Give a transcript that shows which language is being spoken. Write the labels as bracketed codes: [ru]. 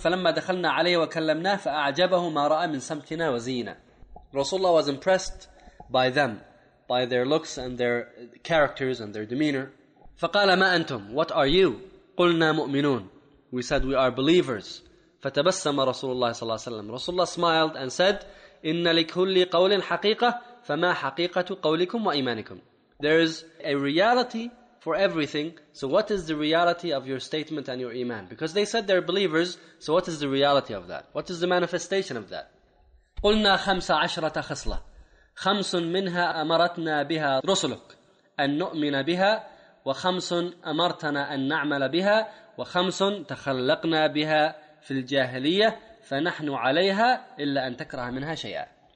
[ar] فَلَمَّا دَخَلْنَا عَلَيْهِ وَكَلَّمْنَاهُ فَأَعْجَبَهُ مَا رَأَى مِنْ سَمْتِنَا وَزِينَةٍ. [en] Rasulullah was impressed by them, by their looks and their characters and their demeanor. [ar] فَقَالَ مَا أَنْتُمْ? [en] What are you? [ar] قُلْنَا مُؤْمِنُونَ. [en] We said, we are believers. [ar] فَتَبَسَّمَ رَسُولُ اللَّهِ صلى الله عليه وسلم. [en] Rasulullah smiled and said, [ar] إِنَّ لِكُلِّ قَوْلٍ حَقِيقَةٌ فَمَا حَقِيقَةُ قَوْلِكُمْ وَإِيمَانِكُمْ. [en] There is a reality for everything. So what is the reality of your statement and your iman? Because they said they're believers. So what is the reality of that? What is the manifestation of that? [ar] قُلْنَا خَمْسَ عَشْرَةَ خَصْلَةً خَمْسٌ مِنْهَا أَمَرَتْنَا بِهَا رُسُلُكَ أَن نُؤْمِنَ بِهَا وَخَمْسٌ أَمَرْتَنَا أَن نَعْمَلَ بِهَا وَخَمْسٌ تَخَلَّقْنَا بِهَا فِي الْجَاهِلِيَّةِ فَنَحْنُ عَلَيْهَا إِلَّا أَن تَكْرَهَ مِنْهَا شَيْئًا.